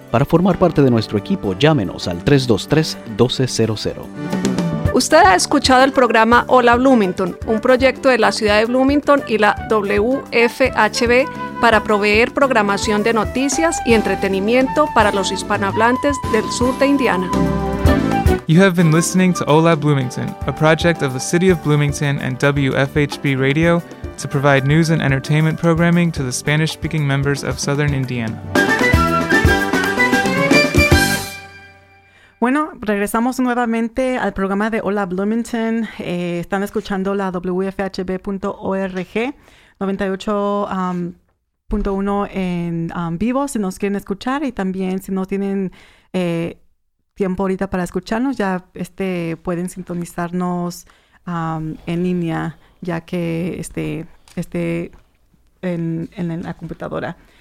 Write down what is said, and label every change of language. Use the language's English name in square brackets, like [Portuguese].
[Spanish] Para formar parte de nuestro equipo, llámenos al 323-1200. Usted ha escuchado el programa Hola Bloomington, un proyecto de la ciudad de Bloomington y la WFHB para proveer programación de noticias y entretenimiento para los hispanohablantes del sur de Indiana. [English] You have been listening to Hola Bloomington, a project of the City of Bloomington and WFHB Radio, to provide news and entertainment programming to the Spanish-speaking members of Southern Indiana. [Spanish] Bueno, regresamos nuevamente al programa de Hola Bloomington. Están escuchando la WFHB.org 98.1 en vivo, si nos quieren escuchar, y también si no tienen tiempo ahorita para escucharnos, ya pueden sintonizarnos en línea, ya que esté en la computadora.